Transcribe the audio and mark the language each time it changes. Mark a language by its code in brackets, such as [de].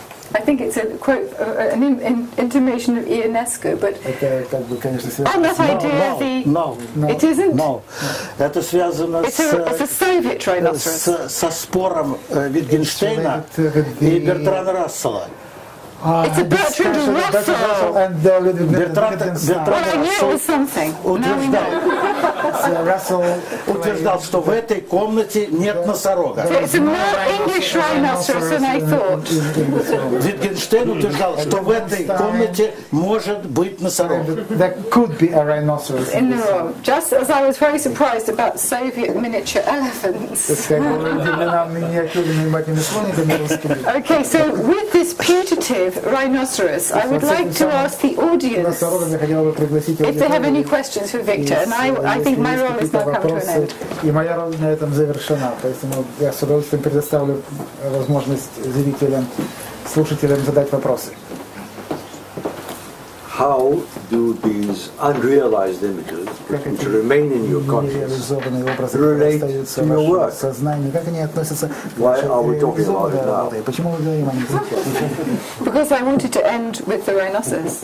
[en] I think it's a quote, an intimation of Ionesco, but on that idea, it isn't. [ru] No, это связано с. [en] It's a Soviet rhinoceros. [ru] Со спором Витгенштейна и Бертрана Рассела. [en] It's a Bertrand Russell. And Bertrand well, I knew it was something. [ru] Утверждал. [en] So Russell [ru] утверждал, что в этой комнате нет носорога. [en] So it's a more English rhinoceros than I thought. [ru] Витгенштейн утверждал, что в этой комнате может быть носорог. [en] There could be a rhinoceros in the room. Just as I was very surprised about Soviet miniature elephants. Okay, so with this putative rhinoceros, I would like to ask the audience if they have any questions for Victor, and I think my role has now come to an end. [ru] И моя роль на этом завершена, поэтому я с удовольствием предоставлю возможность зрителям, слушателям задать вопросы. [en] How do these unrealized images, which remain in your consciousness, relate to your work? Why are we talking about it now? Because I wanted to end with the rhinoceros.